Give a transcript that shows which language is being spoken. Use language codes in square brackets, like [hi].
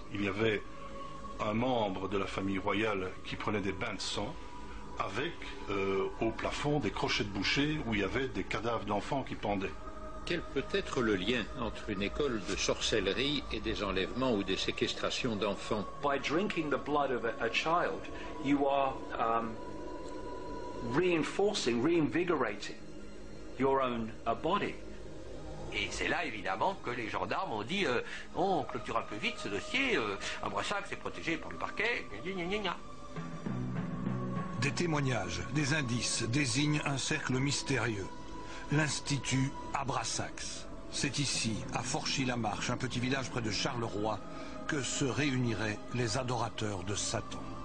[fr] Il y avait un membre de la famille royale qui prenait des bains de sang, avec au plafond des crochets de boucher où il y avait des cadavres d'enfants qui pendaient. Quel peut être le lien entre une école de sorcellerie et des enlèvements ou des séquestrations d'enfants? [en] By drinking the blood of a child, you are reinforcing, reinvigorating your own body. [fr] Et c'est là évidemment que les gendarmes ont dit on clôture un peu vite ce dossier, un brassac c'est protégé par le parquet, gna. Des témoignages, des indices désignent un cercle mystérieux. L'Institut Abrasax. C'est ici, à Forchy-la-Marche, un petit village près de Charleroi, que se réuniraient les adorateurs de Satan.